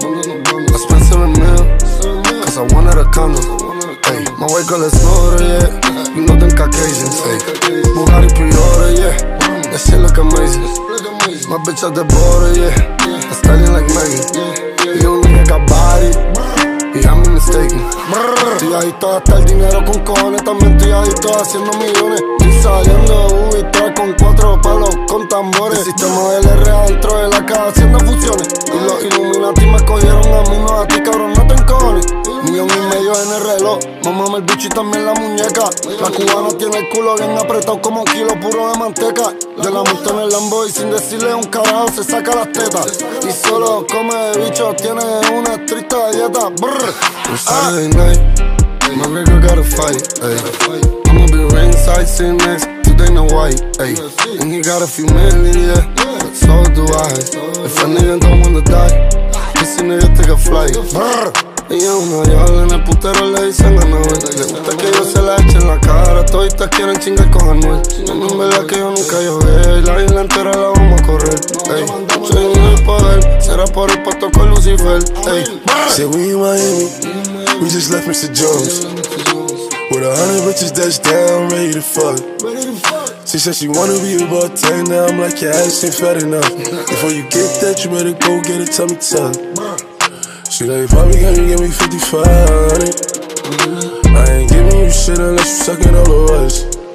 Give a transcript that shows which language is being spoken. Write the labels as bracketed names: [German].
[English] I spent 7 mil, cause I wanted a condo. Ay, my white girl is older, yeah. You know them Caucasians, ay. Bugatti pre-order, yeah. That shit look amazing. My bitch at the border, yeah. I'm styling like Megan. You don't think I got body? Yeah, I'm mistaken. [Spanish] Estoy adicto a gastar dinero con cojones. También estoy adicto a haciendo millones. Estoy saliendo de Ubi, trae con 4 palos con tambores. El sistema del R adentro de la casa haciendo fusiones. Y los Illuminati me cogieron a mí, no a ti, cabrón, no te encojones. 1,000,000 en el reloj. Mamame el bicho y también la muñeca. La cubana tiene el culo bien apretado como un kilo puro de manteca. Yo la monto en el Lambo y sin decirle un carajo se saca las tetas. Y solo come de bicho, tiene una triste dieta. Brr. [English] On Saturday night, my nigga got a fight, ayy. I'ma be ringside sitting next to Dana White, ayy. And he got a few million, yeah, but so do I. If a nigga don't wanna die, this nigga take a flight. Brr. [Spanish] Ella es una diabla, en el putero le dicen a Noel. Le gusta que yo se la eche en la cara. Toditas quieren chingar con Anuel. En verdad que yo nunca llogué. La isla entera la vamos a correr. Ey, soy un del poder. Será por el pato con Lucifer. Ey, [English] say we in Miami. We just left Mr. Jones. With a 100 bitches that's down, ready to fuck. She said she wanna be a bartender. Now I'm like, your ass ain't fat enough. Before you get that, you better go get a tummy tuck. She like, Bobby, can you give me 55, honey? I ain't giving you shit unless you suckin' all of us.